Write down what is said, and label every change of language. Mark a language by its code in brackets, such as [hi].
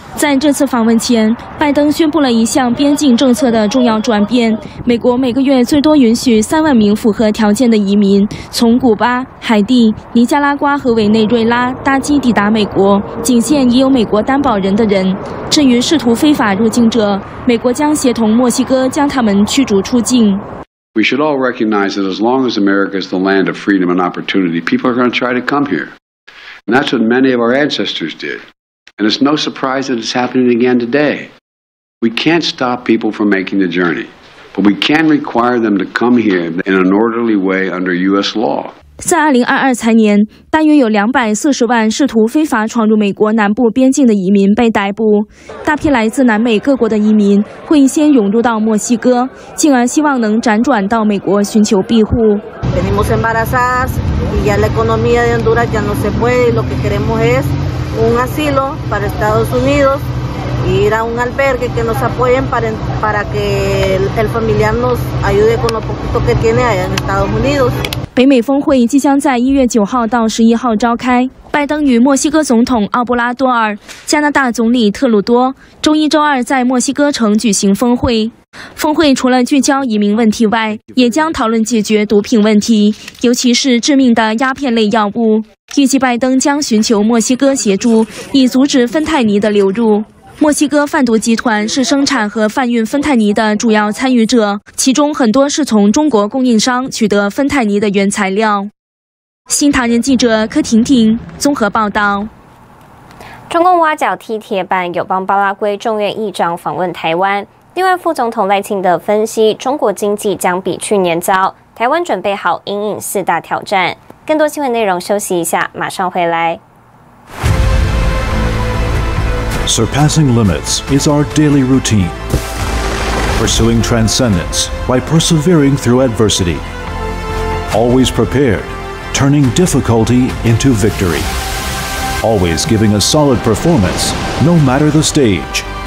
[zh] 在这次访问前，拜登宣布了一项边境政策的重要转变，美国每个月最多允许30000名符合条件的移民从古巴、海地、尼加拉瓜和委内瑞拉搭机抵达美国，仅限已有美国担保人的人。至于试图非法入境者，美国将协同墨西哥将他们驱逐出境。 [en] We should all recognize that as long as America is the land of freedom and opportunity, people are going to try to come here. And that's what many of our ancestors did. And it's no surprise that it's happening again today. We can't stop people from making the journey, but we can require them to come here in an orderly way under U.S. law. [zh] 在2022财年，大约有240万试图非法闯入美国南部边境的移民被逮捕。大批来自南美各国的移民会先涌入到墨西哥，进而希望能辗转到美国寻求庇护。 [es] Tenemos embarazadas y ya la economía de Honduras ya no se puede. Lo que queremos es un asilo para Estados Unidos ir a un albergue que nos apoyen para que el familiar nos ayude con lo poquito que tiene allá en Estados Unidos. [zh] 北美峰会即将在1月9号到11号召开，拜登与墨西哥总统奥布拉多尔、加拿大总理特鲁多周一周二在墨西哥城举行峰会。峰会除了聚焦移民问题外，也将讨论解决毒品问题，尤其是致命的鸦片类药物。预计拜登将寻求墨西哥协助，以阻止芬太尼的流入。墨西哥贩毒集团是生产和贩运芬太尼的主要参与者，其中很多是从中国供应商取得芬太尼的原材料。新唐人记者柯婷婷综合报道。中共挖角踢铁板，友邦巴拉圭众院议长访问台湾。另外，副总统赖清德分析，中国经济将比去年糟，台湾准备好因应四大挑战。更多新闻内容，休息一下，马上回来。 [en] Surpassing limits is our daily routine. Pursuing transcendence by persevering through adversity. Always prepared, turning difficulty into victory. Always giving a solid performance, no matter the stage.